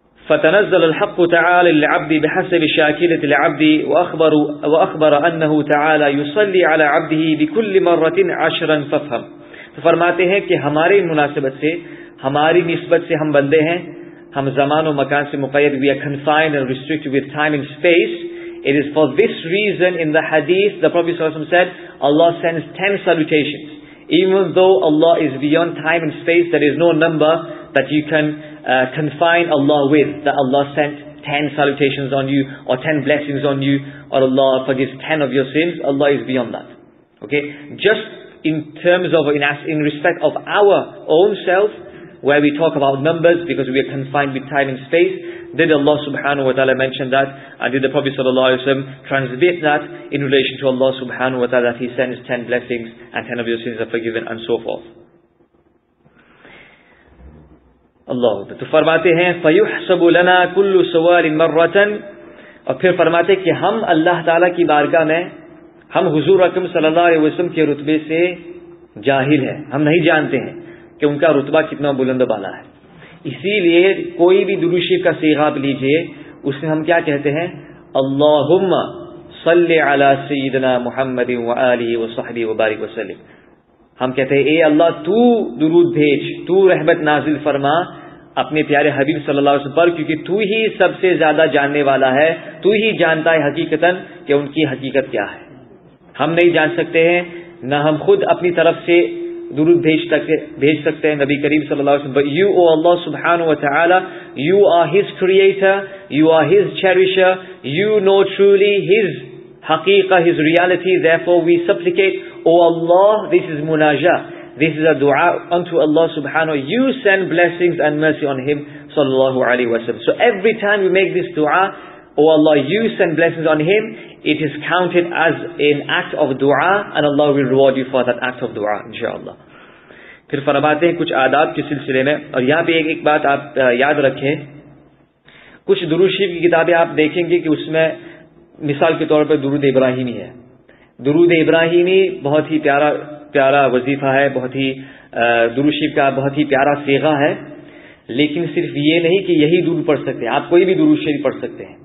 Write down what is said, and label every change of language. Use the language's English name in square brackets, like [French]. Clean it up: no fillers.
[Arabic] فتنزل الحق تعالی للعبد بحسب شاکلۃ العبد واخبر انه تعالی يصلي على عبده بكل مره 10 ففهم [Urdu] تو فرماتے ہیں کہ ہمارے مناسبت سے ہماری نسبت سے ہم بندے ہیں ہم زمان و مکان سے مقید [English] we are confined and restricted with time and space It is for this reason in the hadith, the Prophet ﷺ said, Allah sends 10 salutations. Even though Allah is beyond time and space, there is no number that you can confine Allah with, that Allah sent 10 salutations on you, or 10 blessings on you, or Allah forgives 10 of your sins. Allah is beyond that. Okay? Just in terms of, in respect of our own self, where we talk about numbers, because we are confined with time and space, Did Allah subhanahu wa ta'ala mention that? And did the Prophet sallallahu alayhi wa sallam transmit that in relation to Allah subhanahu wa ta'ala that He sends 10 blessings and 10 of your sins are forgiven and so forth? [Urdu] Allah to farmate hain [Arabic] فَيُحْسَبُ لَنَا كُلُّ سَوَالٍ مَرَّةً [Urdu] اور پھر فرماتے کہ ہم اللہ تعالیٰ کی بارگاہ میں ہم حضور اکرم صلی اللہ علیہ وسلم کے رتبے سے جاہل ہیں ہم نہیں جانتے ہیں کہ ان کا رتبہ کتنا بلند و بالا ہے اسی لیے کوئی بھی درود شریف کا صیغہ لیجئے اس میں ہم کیا کہتے ہیں [Arabic] اللہم صلی علی سیدنا محمد و آلہ و صحبہ و بارک وسلم [Urdu] ہم کہتے ہیں اے اللہ تو درود بھیج تو رحمت نازل فرما اپنے پیارے حبیب صلی اللہ علیہ وسلم پر کیونکہ تو ہی سب سے زیادہ جاننے والا ہے تو ہی جانتا ہے حقیقتاً کہ ان کی حقیقت کیا ہے ہم نہیں جان سکتے ہیں نہ ہم خود اپنی طرف سے درود بھیج سکتے ہیں [English] نبی کریم صلی اللہ علیہ وسلم. But you, O Allah subhanahu wa ta'ala, you are his creator, you are his cherisher, you know truly his حقیقہ, his reality. Therefore we supplicate, O Allah, this is munajah, this is a dua unto Allah subhanahu wa ta'ala, you send blessings and mercy on him sallallahu alayhi wa sallam. So every time we make this dua, O Allah, you send blessings on him, it is counted as an act of dua, and Allah will reward you for that act of dua, inshaAllah. [Urdu] پھر فرماتے ہیں کچھ آداب کے سلسلے میں, اور یہاں پہ ایک بات آپ یاد رکھیں, کچھ درود شریف کی کتابیں آپ دیکھیں گے کہ اس میں مثال کے طور پر درود ابراہیمی ہے. درود ابراہیمی بہت ہی پیارا پیارا وظیفہ ہے, بہت ہی درود شریف کا بہت ہی پیارا صیغہ ہے, لیکن صرف یہ نہیں کہ یہی درود پڑھ سکتے ہیں, آپ کوئی بھی درود شریف پڑھ سکتے ہیں.